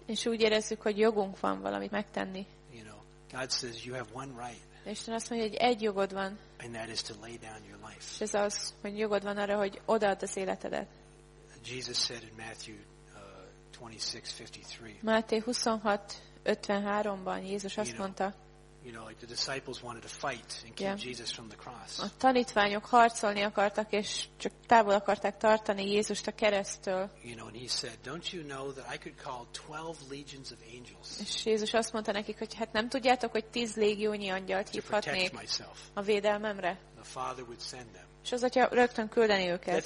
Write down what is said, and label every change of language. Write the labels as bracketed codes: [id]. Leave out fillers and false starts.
[hu] És úgy érezzük, hogy jogunk van valamit megtenni. [en] You know, God says you have one right. [hu] Isten azt mondja, hogy egy jogod van. [en] And that is to lay down your life. [hu] És ez az, hogy jogod van arra, hogy odaadd az életedet. [en] Jesus said in Matthew 26:53. [hu] Máté 26:53-ban Jézus azt mondta. [en] You know, like the disciples wanted to fight and keep Jesus from the cross. [hu] A tanítványok harcolni akartak és csak távol akarták tartani Jézust a kereszttől. [en] You know, and he said, "Don't you know that I could call 12 legions of angels?" [hu] És Jézus azt mondta nekik, hogy hát nem tudjátok, hogy 10 légiónyi angyalt hívhatnék a védelmemre. [en] The Father would send them. [hu] És az Atya rögtön küldeni őket.